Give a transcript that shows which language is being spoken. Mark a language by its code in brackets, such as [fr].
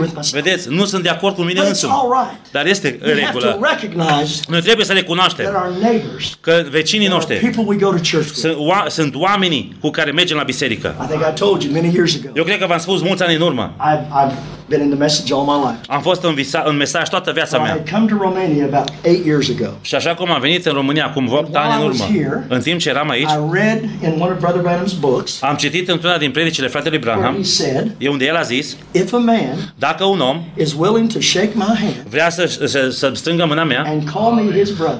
[ro] Vedeți, nu sunt de acord cu mine însumi. Dar este în regulă. Noi trebuie să recunoaștem că vecinii noștri sunt oamenii cu care mergem la biserică. Eu cred că v-am spus mulți ani în urmă. [en] Been in the message all my life. [ro] Am fost în mesaj toată viața mea. [en] I had come to Romania about 8 years ago. [ro] Și așa cum am venit în România acum 8 ani în urmă. În timp ce eram aici, [en] I read in one of Brother Branham's books. [ro] Am citit într-una din predicile fratelui Branham. [en] He said, [ro] e unde el a zis, [en] if a man, [ro] dacă un om [en] is willing to shake my hand, [ro] vrea să strângă mâna mea [en] and call me his brother,